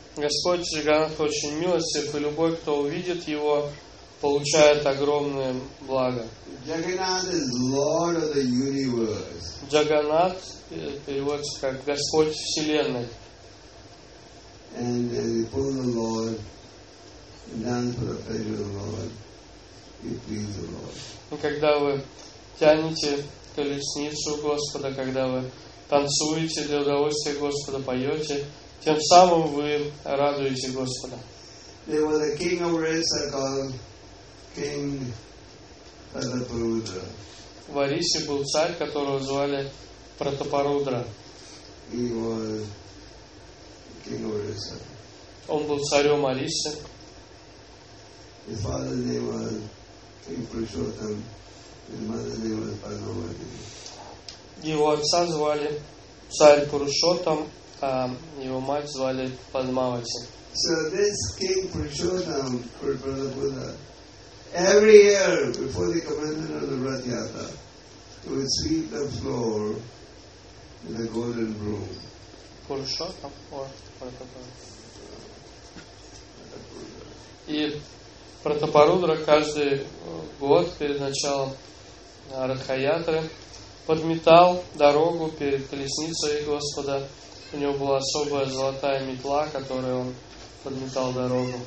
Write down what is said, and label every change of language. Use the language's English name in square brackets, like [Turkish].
[Russian] Господь Джиганнатх очень милостив, и любой, кто увидит его, получает огромное благо. Джаганнат переводится как Господь Вселенной. [English] And he pulls the Lord down for the pleasure of the Lord. He pleases the Lord. [Russian] И когда вы тянете колесницу Господа, когда вы танцуете для удовольствия Господа, поете, тем самым вы радуете Господа. [English] There was a king of Orissa called King Prataparudra. [Russian] В Орисе был царь, которого звали Пратапарудра. [English] He was king of Orissa. [Russian] Он был царем Орисы. [English] His father's name was King Prushottam. His mother's name was Padmavati. [Russian] Его отца звали царь Пурушоттам. Его мать звали Падмавати. [English] So this King Prushottam, Prataparudra, every year before the commencement of the Rath Yatra, he would sweep the floor with a golden broom. Purushottam or Prataparudra. [Russian] И Пратапарудра каждый год перед началом Ратха Ятры подметал дорогу перед колесницей Господа. У него была особая золотая метла, которой он подметал дорогу.